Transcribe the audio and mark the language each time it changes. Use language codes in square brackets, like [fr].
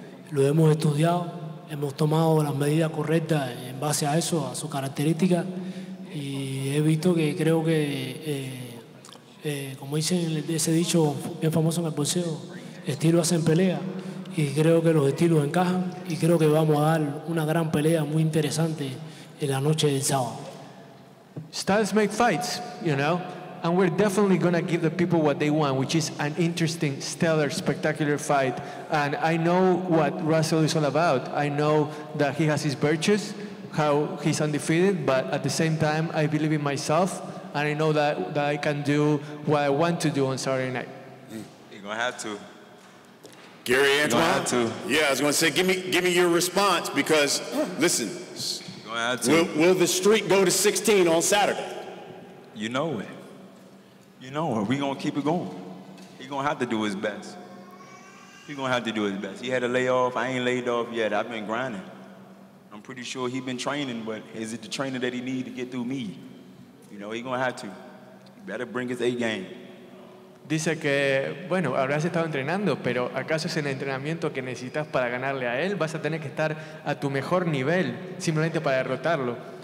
[es] Lo hemos estudiado. Hemos tomado las medidas correctas en base a eso, a su característica, y he visto que creo que, como dicen ese dicho bien famoso en el boxeo, estilos hacen pelea, y creo que los estilos encajan, y creo que vamos a dar una gran pelea muy interesante en la noche del sábado. [en] Styles make fights, you know, and we're definitely going to give the people what they want, which is an interesting, stellar, spectacular fight. And I know what Russell is all about. I know that he has his virtues, how he's undefeated, but at the same time, I believe in myself, and I know that I can do what I want to do on Saturday night. You're going to have to. Gary Antoine? You're going to have to. Yeah, I was going to say, give me your response, because, listen. You're going to Will the streak go to 16 on Saturday? You know it. You know it. We're going to keep it going. He's going to have to do his best. He's going to have to do his best. He had a layoff. I ain't laid off yet. I've been grinding. I'm pretty sure he's been training, but is it the trainer that he need to get through me? You know, he's going to have to. He better bring his A game. [es] Dice que, bueno, habrás estado entrenando, pero ¿acaso es el entrenamiento que necesitas para ganarle a él? Vas a tener que estar a tu mejor nivel simplemente para derrotarlo.